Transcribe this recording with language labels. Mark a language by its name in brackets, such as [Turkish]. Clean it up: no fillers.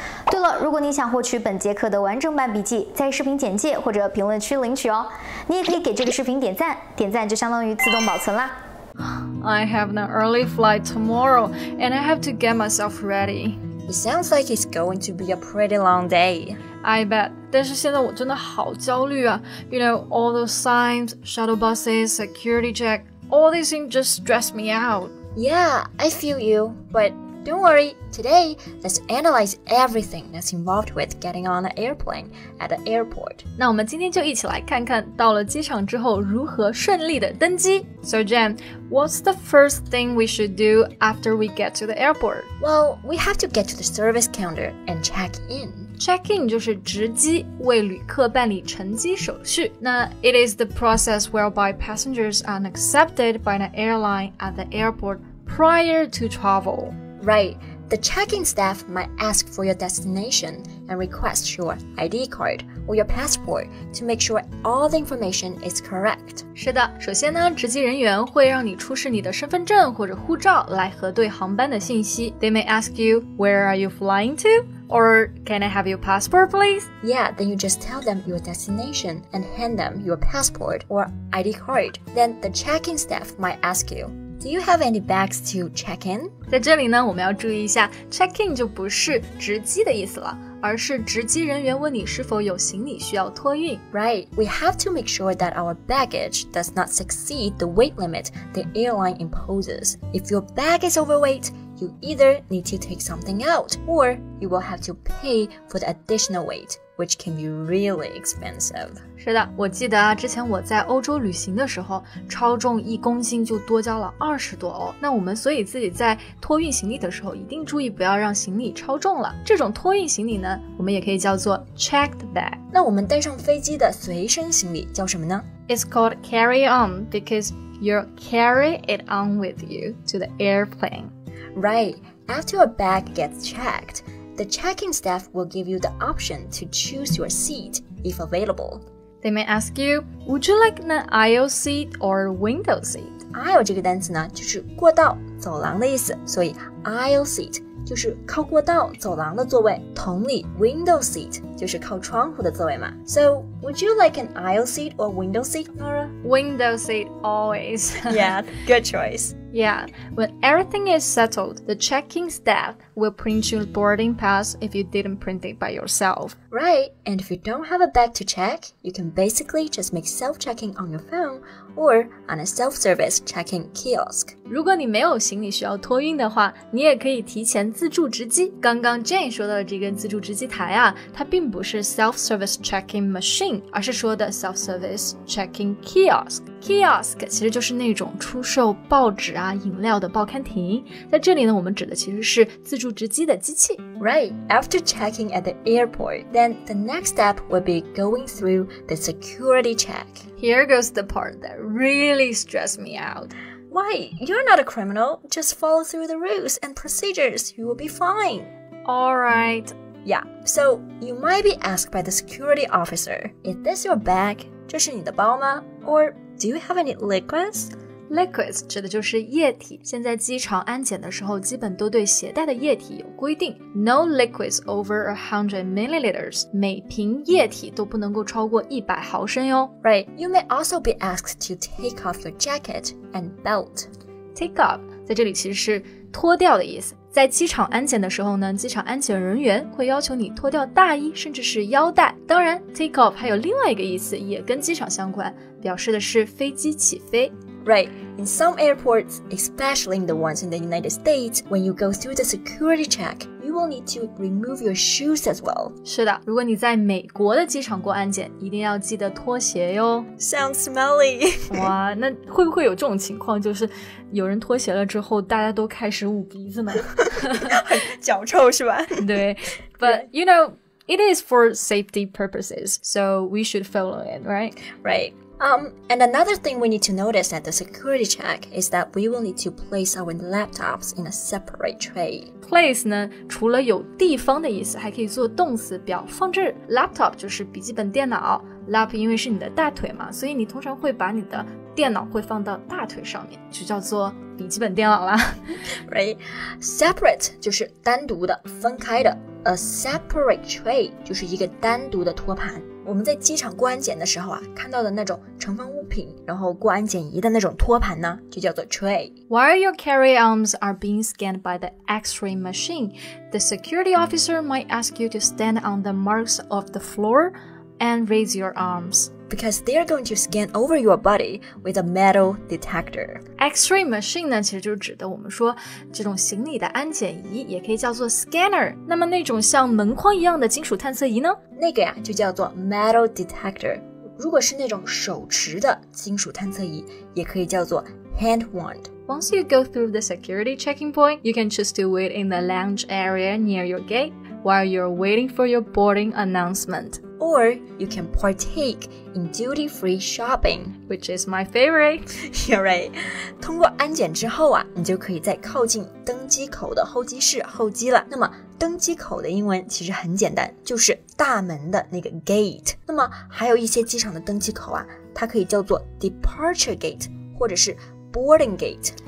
[Chinese] 对了，如果你想获取本节课的完整版笔记，在视频简介或者评论区领取哦。你也可以给这个视频点赞，点赞就相当于自动保存啦。 [English] I have an early flight tomorrow, and I have to get myself ready. It sounds like it's going to be a pretty long day. I bet. [Chinese] 但是现在我真的好焦虑啊。 [English] You know, all those signs, shuttle buses, security check, all these things just stress me out. Yeah, I feel you. But don't worry, today, let's analyze everything that's involved with getting on an airplane at the airport. [Chinese] 那我们今天就一起来看看到了机场之后如何顺利的登机。 [English] So Jen, what's the first thing we should do after we get to the airport? Well, we have to get to the service counter and check in. [Chinese] Check-in 就是值机，为旅客办理乘机手续。 [English] 那 it is the process whereby passengers are accepted by an airline at the airport prior to travel. Right. The check-in staff might ask for your destination and request your ID card or your passport to make sure all the information is correct. [Chinese] 是的，首先呢，值机人员会让你出示你的身份证或者护照来核对航班的信息。 [English] They may ask you, where are you flying to? Or, can I have your passport, please? Yeah, then you just tell them your destination and hand them your passport or ID card. Then the check-in staff might ask you, do you have any bags to check in? [Chinese] 在这里呢，我们要注意一下 check-in 就不是值机的意思了，而是值机人员问你是否有行李需要托运。 [English] Right, we have to make sure that our baggage does not exceed the weight limit the airline imposes. If your bag is overweight,You either need to take something out, or you will have to pay for the additional weight, which can be really expensive. [Chinese] 是的，我记得啊，之前我在欧洲旅行的时候，超重一公斤就多交了20多欧。那我们所以自己在托运行李的时候，一定注意不要让行李超重了。这种托运行李呢，我们也可以叫做 checked bag. 那我们带上飞机的随身行李叫什么呢？ [English] It's called carry-on because you carry it on with you to the airplane. Right, after your bag gets checked, the checking staff will give you the option to choose your seat if available. They may ask you, would you like an aisle seat or window seat? [Chinese] Aisle 这个单词呢就是过道走廊的意思，所以 aisle seat 就是靠过道走廊的座位，同理 window seat 就是靠窗户的座位嘛。 [English] So, would you like an aisle seat or window seat, Nora? Window seat always. Yeah, good choice. Yeah, when everything is settled, the check-in staff will print your boarding pass if you didn't print it by yourself. Right, and if you don't have a bag to check, you can basically just make self-checking on your phone or on a self-service check-in kiosk. [Chinese] 如果你没有行李需要托运的话，你也可以提前自助值机。刚刚 Jane 说到的这个自助值机台啊，它并不是 self-service check-in machine, 而是说的 self-service check-in kiosk. Kiosk 其实就是那种出售报纸啊、饮料的报刊亭。在这里呢，我们指的其实是自助值机的机器。 [English] Right, after checking at the airport, then the next step will be going through the security check. Here goes the part that really stressed me out. Why? You're not a criminal. Just follow through the rules and procedures. You will be fine. All right. Yeah, so you might be asked by the security officer, is this your bag? [Chinese] 这是你的包吗？ [English] Or... Do you have any liquids? [Chinese] Liquids 指的就是液体。现在机场安检的时候基本都对携带的液体有规定。 [English] No liquids over 100 milliliters. [Chinese] 每瓶液体都不能够超过100毫升哟。 [English] Right, you may also be asked to take off your jacket and belt. [Chinese] Take off 在这里其实是脱掉的意思。在机场安检的时候呢，机场安检人员会要求你脱掉大衣甚至是腰带。当然 take off 还有另外一个意思也跟机场相关，表示的是飞机起飞。 [English] Right, in some airports, especially in the ones in the United States, when you go through the security check, you will need to remove your shoes as well. [Chinese] 是的，如果你在美国的机场过安检，一定要记得脱鞋哟。 [English] Sounds smelly. [Chinese] 哇，那会不会有这种情况，就是有人脱鞋了之后，大家都开始捂鼻子呢？脚臭是吧？ [English] 对。But, you know, It is for safety purposes, so we should follow it, right? Right. And another thing we need to notice at the security check is that we will need to place our laptops in a separate tray. [Chinese] Place 呢，除了有地方的意思，还可以做动词表放置。 Laptop 就是笔记本电脑 ，lap 因为是你的大腿嘛，所以你通常会把你的电脑会放到大腿上面，就叫做笔记本电脑啦。 Right. Separate 就是单独的，分开的。 A separate tray 就是一个单独的托盘。我们在机场过安检的时候啊，看到的那种盛放物品，然后过安检仪的那种托盘呢，就叫做 tray. [English] While your carry-ons are being scanned by the X-ray machine, the security officer might ask you to stand on the marks of the floor and raise your arms. Because they are going to scan over your body with a metal detector. [Chinese] X-ray machine 呢，其实就指的我们说这种行李的安检仪，也可以叫做 scanner. 那么那种像门框一样的金属探测仪呢？那个呀，就叫做 metal detector. 如果是那种手持的金属探测仪，也可以叫做 hand wand. [English] Once you go through the security checking point, you can choose to wait in the lounge area near your gate while you're waiting for your boarding announcement. Or you can partake in duty-free shopping, which is my favorite. You're right. [Chinese] 通过安检之后啊，你就可以在靠近登机口的候机室候机了。那么登机口的英文其实很简单，就是大门的那个 gate. 那么还有一些机场的登机口啊，它可以叫做 departure gate, 或者是Boarding gate.